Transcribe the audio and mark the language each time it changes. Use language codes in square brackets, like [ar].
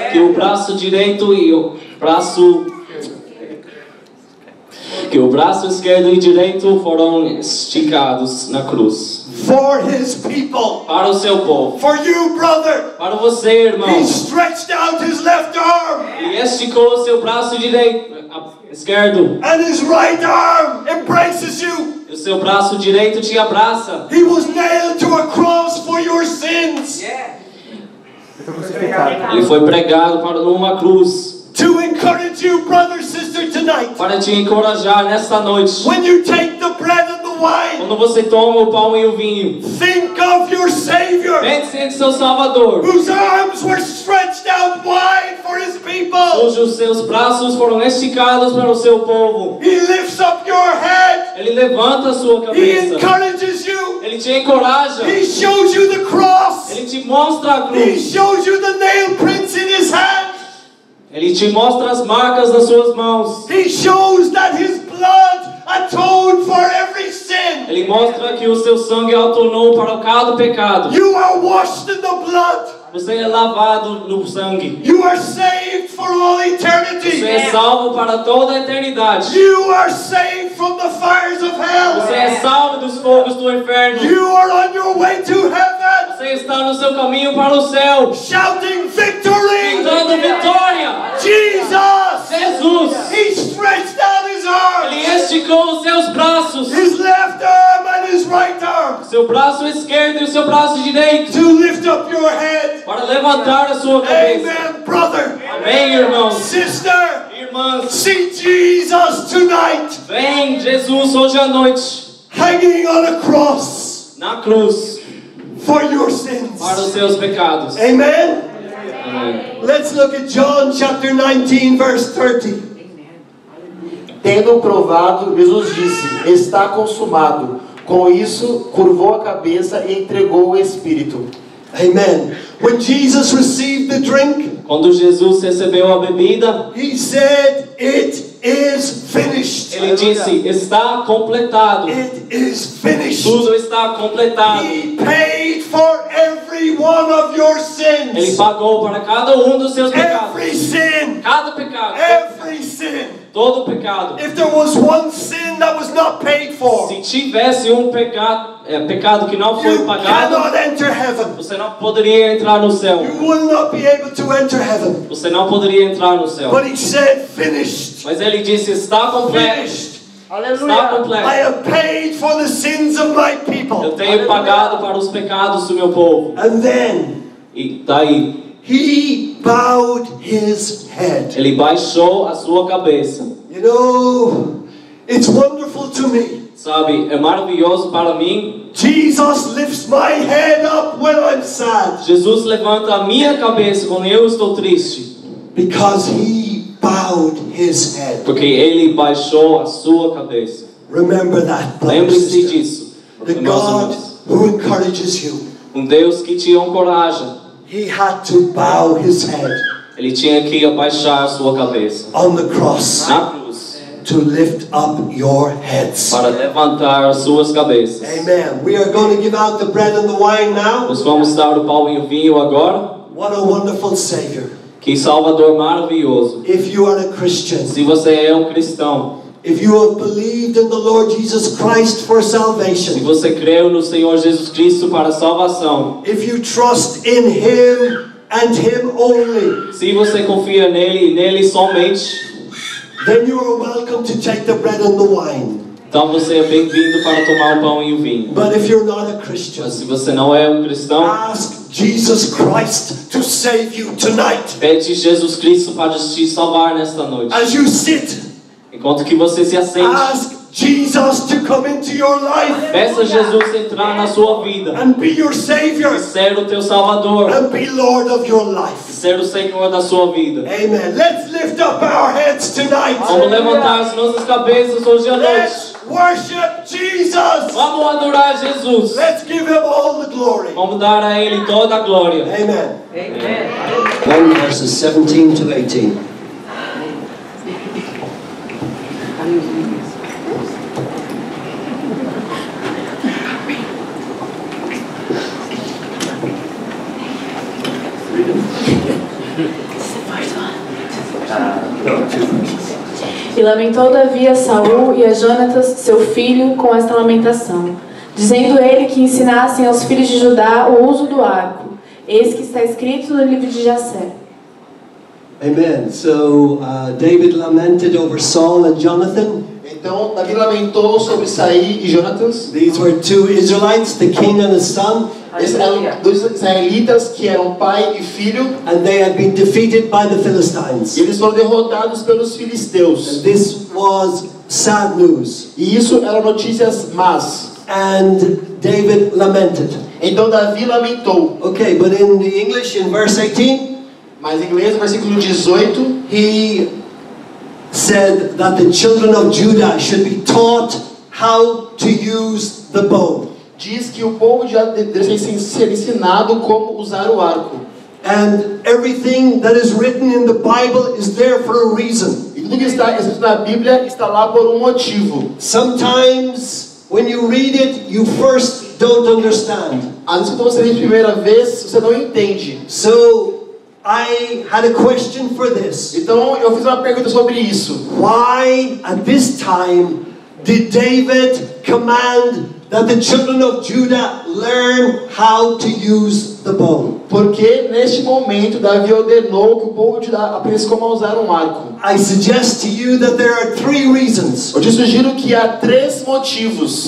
[pt] Que o braço direito e o braço que o braço esquerdo e direito foram esticados na cruz. [en] For his people. [pt] Para o seu povo. [en] For you, brother. [pt] Para você, irmão. [en] He stretched out his left arm. [pt] E esticou o seu braço direito, esquerdo. [en] And his right arm embraces you. [pt] E o seu braço direito te abraça. [en] He was nailed to a cross for your sins. Yeah. [pt] Ele foi pregado para uma cruz. [en] To encourage you, brother, sister, tonight. [pt] Para te encorajar nesta noite. [en] When you take the bread and the wine. [pt] Quando você toma o pão e o vinho. [en] Think of your Savior. [pt] Pense em seu Salvador. [en] Whose arms were stretched out wide for his people. [pt] Cujos seus braços foram esticados para o seu povo. [en] He lifts up your head. [pt] Ele levanta a sua cabeça. [en] He encourages you. [pt] Ele te encoraja. [en] He shows you the cross. [pt] Ele te mostra a cruz. [en] He shows you the nail prints in his hand. [pt] Ele te mostra as marcas das suas mãos. [en] He shows that his blood atoned for every sin. [pt] Ele mostra que o seu sangue atonou para cada pecado. [en] You are washed in the blood. [pt] Você é lavado no sangue. [en] You are saved for all eternity. [pt] Você é salvo para toda a eternidade. [en] You are saved from the fires of hell. [pt] Você é salvo dos fogos do inferno. [en] You are on your way to heaven. [pt] Você está no seu caminho para o céu. [en] Shouting victory. [pt] Gritando vitória. [en] Jesus. [pt] Jesus. [en] He stretched out his arms. [pt] Ele esticou os seus braços. [en] His left arm and his right arm. [pt] Seu braço esquerdo e o seu braço direito. [en] To lift up your head. [pt] Para levantar a sua cabeça. [en] Amen, brother. [pt] Amém, irmão. [en] Sister. [pt] Irmãs. [en] See Jesus tonight. [pt] Vem Jesus hoje à noite. [en] Hanging on a cross. [pt] Na cruz. [en] For your sins. [pt] Para os seus pecados. [en] Amen. [pt] Amém. [en] Let's look at John chapter 19 verse 30. [pt] Tendo provado, Jesus disse: está consumado. Com isso, curvou a cabeça e entregou o espírito. [en] Amen. When Jesus received the drink, [pt] quando Jesus recebeu a bebida, [en] he said, "It is finished." [pt] Ele disse, está completado. [en] It is finished. [pt] Tudo está completado. [en] He paid for every one of your sins. [pt] Ele pagou para cada dos seus pecados. [en] Every sin. [pt] Cada pecado. [en] Every sin. [pt] Todo pecado. [en] If there was one sin that was not paid for, [pt] se tivesse pecado que não foi pagado, você não poderia entrar no céu. [en] You will not be able to enter heaven. [pt] Você não poderia entrar no céu. [en] But he said, finished. [pt] Mas ele disse, está completo. [en] Finished. [pt] Está completo. [en] I have paid for the sins of my people. [pt] Eu tenho pagado para os pecados do meu povo. [en] And then, [pt] e daí, [en] he bowed his head. [pt] Ele baixou a sua cabeça. [en] You know, it's wonderful to me. [pt] Sabe, é maravilhoso para mim. [en] Jesus lifts my head up when I'm sad. [pt] Jesus levanta a minha cabeça quando eu estou triste. [en] Because he bowed his head. [pt] Porque ele baixou a sua cabeça. [en] Remember that, brother. [pt] Lembre-se disso. [en] The God who encourages you. [pt] Deus que te encoraja. [en] He had to bow his head. [pt] Ele tinha que abaixar a sua cabeça. [en] On the cross. [pt] Na cruz. [en] To lift up your heads. [pt] Para levantar as suas cabeças. [en] Amen. We are going to give out the bread and the wine now. [pt] Nós vamos dar o pão e o vinho agora. [en] What a wonderful Savior. [pt] Que Salvador maravilhoso. [en] If you are a Christian. [pt] Se você é cristão. [en] If you have believed in the Lord Jesus Christ for salvation. [pt] Se você creu no Senhor Jesus Cristo para salvação. [en] If you trust in him and him only. [pt] Se você confia nele e nele somente. [en] Then you are welcome to take the bread and the wine. [pt] Então você é bem-vindo para tomar o pão e o vinho. [en] But if you're not a Christian. [pt] Mas se você não é cristão. [en] Ask Jesus Christ to save you tonight. [pt] Pede Jesus Cristo para te salvar nesta noite. [en] As you sit. [pt] Enquanto que você se assente. [en] Ask Jesus to come into your life. [pt] Peça a Jesus entrar na sua vida. [en] And be your savior. [pt] E ser o teu salvador. [en] And be Lord of your life. [pt] E ser o Senhor da sua vida. [en] Amen. Let's lift up our heads tonight. [pt] Vamos levantar as nossas cabeças hoje à noite. [en] Worship Jesus. [pt] Vamos adorar Jesus. [en] Let's give him all the glory. [pt] Vamos dar a ele toda a glória. [en] Amen. Amen. 1 verses 17 to 18. [pt] E lamentou Davi a Saul e a Jonatas, seu filho, com esta lamentação, dizendo ele que ensinassem aos filhos de Judá o uso do arco. Eis que está escrito no livro de Jassé. [en] Amen. So, David lamented over Saul and Jonathan. [pt] Então, Davi lamentou sobre Saul e Jonatas. [en] These were two Israelites, the king and his son. [pt] Dois israelitas que eram pai e filho. [en] And they had been defeated by the Philistines. [pt] E eles foram derrotados pelos filisteus. [en] And this was sad news. [pt] E isso era notícias más. [en] And David lamented. [pt] Então Davi lamentou. [en] Okay, but in the English, in verse 18. [pt] Mas em inglês, versículo 18, [en] he said that the children of Judah should be taught how to use the bow. [pt] Diz que o povo já deve ser ensinado como usar o arco. [en] And everything that is written in the Bible is there for a reason. [pt] E tudo que está escrito na Bíblia está lá por um motivo. [en] Sometimes when you read it, you first don't understand. [pt] Às vezes, quando você lê a primeira vez, você não entende. [en] So I had a question for this. [pt] Então eu fiz uma pergunta sobre isso. [en] Why at this time did David command that the children of Judah learn how to use the bow? [pt] Porque neste momento Davi ordenou que o povo de Judá aprendesse como usar um arco. [en] I suggest to you that there are three reasons. [pt] Eu te sugiro que há três motivos.